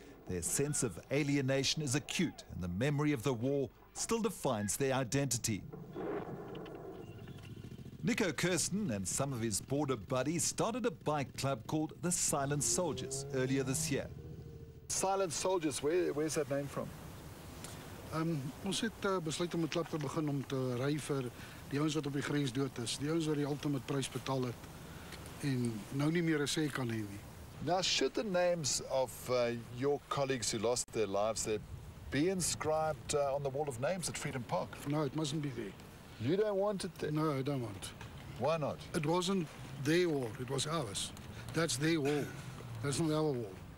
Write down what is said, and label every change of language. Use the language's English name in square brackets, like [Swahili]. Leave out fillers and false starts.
[English] Their sense of alienation is acute, and the memory of the war still defines their identity. Nico Kirsten and some of his border buddies started a bike club called the Silent Soldiers earlier this year. Silent Soldiers, where's that name from? [Afrikaans] Ons het besluit om 'n klub te begin om te ry vir die ouens wat op die grens dood is, die ouens wat die ultimate prys betaal het en nou nie meer 'n sê kan hê nie. [English] Now, should the names of your colleagues who lost their lives there be inscribed on the wall of names at Freedom Park? No, it mustn't be there. You don't want it there? No, I don't want. Why not? It wasn't their wall, it was ours. That's their wall. That's not our wall.